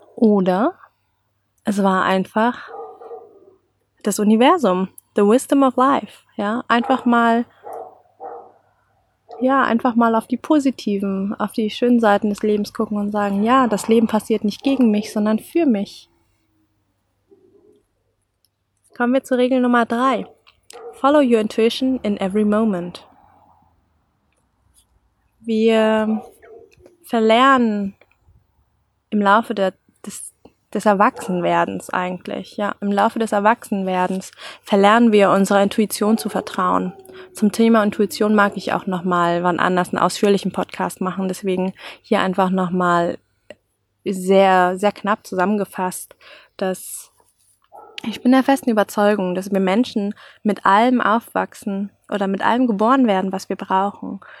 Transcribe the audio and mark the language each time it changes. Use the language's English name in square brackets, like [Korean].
[German] Oder es war einfach das Universum, [English] the wisdom of life. [German] Ja, einfach mal auf die schönen Seiten des Lebens gucken und sagen, ja, das Leben passiert nicht gegen mich, sondern für mich. Kommen wir zur Regel Nummer 3. [English] Follow your intuition in every moment. [German] Wir verlernen im Laufe des Erwachsenwerdens eigentlich, ja, im Laufe des Erwachsenwerdens verlernen wir unserer Intuition zu vertrauen. Zum Thema Intuition mag ich auch nochmal wann anders einen ausführlichen Podcast machen, deswegen hier einfach nochmal sehr, sehr knapp zusammengefasst, dass ich bin der festen Überzeugung, dass wir Menschen mit allem aufwachsen oder mit allem geboren werden, was wir brauchen.